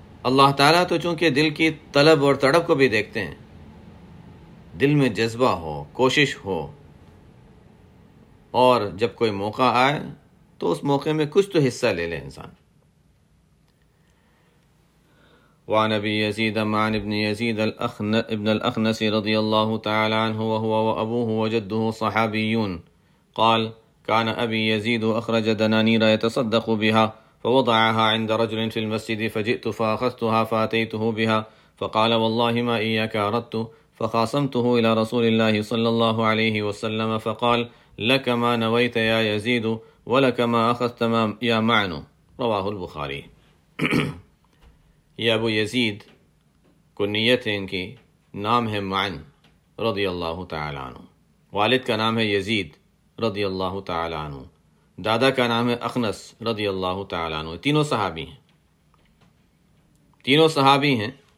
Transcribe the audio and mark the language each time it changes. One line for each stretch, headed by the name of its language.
Urdu: اللہ تعالیٰ تو چونکہ دل کی طلب اور تڑپ کو بھی دیکھتے ہیں, دل میں جذبہ ہو, کوشش ہو, اور جب کوئی موقع آئے تو اس موقع میں کچھ تو حصہ لے لے انسان.
Arabic: وعن ابی یزید معن ابن یزید ابن الاخنس رضی اللہ تعالی عنہ وهو وابوه وجده صحابیون قال كان ابی یزید اخرج دنانیر يتصدق بها فوضعها عند رجل في المسجد فجئت فاخذتها فاتيته بها فقال والله ما اياك اردت فخاصمته الى رسول الله صلى الله عليه وسلم فقال لك ما نويت يا يزيد ولك ما اخذت ما يا معن. رواه البخاري.
Urdu: یہ ابو یزید کنیت ہے ان کی, نام ہے معن رضی اللہ تعالیٰ عنہ, والد کا نام ہے یزید رضی اللہ تعالیٰ عنہ, دادا کا نام ہے اخنس رضی اللہ تعالیٰ عنہ, تینوں صحابی ہیں, تینوں صحابی ہیں.